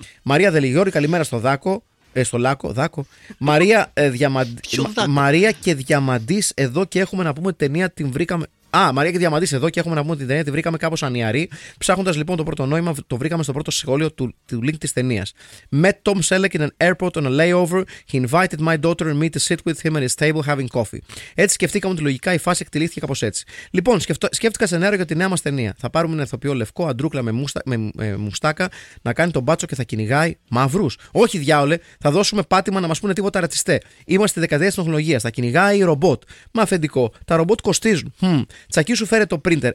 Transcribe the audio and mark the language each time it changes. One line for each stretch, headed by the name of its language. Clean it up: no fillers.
Greek: Μαρία Δελιγιώρη, καλημέρα στο Δάκο. Στο Λάκο, Δάκο. Μαρία, Μαρία και Διαμαντής, εδώ και έχουμε να πούμε ταινία, την βρήκαμε. Α, Μαρία και Διαμαντής εδώ και έχουμε να πούμε την ταινία. Τη βρήκαμε κάπως ανιαρή. Ψάχνοντας λοιπόν το πρώτο νόημα, το βρήκαμε στο πρώτο σχόλιο του link της ταινίας.
English: Met Tom Selleck in an airport on a layover. He invited my daughter and me to sit with him at his table having coffee.
Greek: Έτσι σκεφτήκαμε ότι λογικά η φάση εκτελήθηκε κάπως έτσι. Λοιπόν, σκέφτηκα σενάριο για τη νέα μας ταινία. Θα πάρουμε ένα ηθοποιό λευκό, αντρούκλα με μουστάκα, να κάνει τον μπάτσο και θα κυνηγάει μαύρους. Όχι διάολε, θα δώσουμε πάτημα να μας πούνε τίποτα ρατσιστέ. Είμαστε δεκαετία τεχνολογία. Θα κυνηγάει ρομπότ. Μα αφεντικό, τα ρομπότ κοστίζουν. Τσακί σου φέρε το πρίντερ.